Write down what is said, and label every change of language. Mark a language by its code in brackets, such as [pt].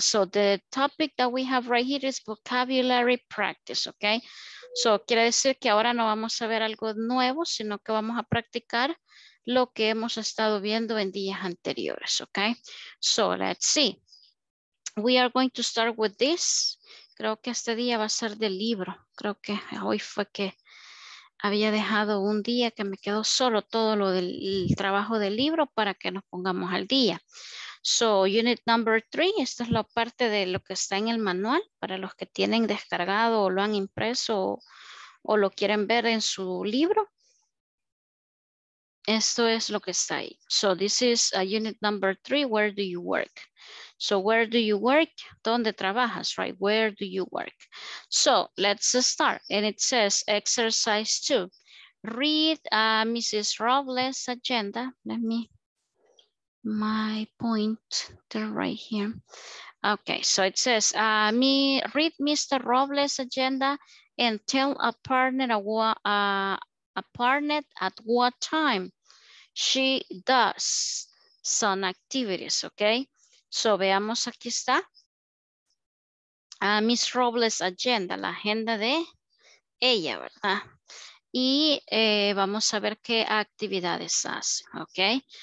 [en] So the topic that we have right here is vocabulary practice, okay? [es] So quiere decir que ahora no vamos a ver algo nuevo, sino que vamos a practicar lo que hemos estado viendo en días anteriores, okay? [en] So let's see. We are going to start with this. [es] Creo que este día va a ser del libro. Creo que hoy fue que había dejado un día que me quedó solo todo lo del trabajo del libro para que nos pongamos al día. [en] So, unit number 3, [es] esta es la parte de lo que está en el manual para los que tienen descargado o lo han impreso o lo quieren ver en su libro. Esto es lo que está ahí. [en] So, this is a unit number 3, where do you work? So, where do you work? [es] ¿Dónde trabajas? [en] Right? Where do you work? So, let's start. And it says exercise 2. Read Mrs. Robles' agenda. Let me pointer right here. Okay, so it says read Mr. Robles' agenda and tell a partner at what time she does some activities, okay? [es] So, veamos, aquí está Miss Robles' agenda, la agenda de ella, ¿verdad? Y vamos a ver qué actividades hace, ¿ok?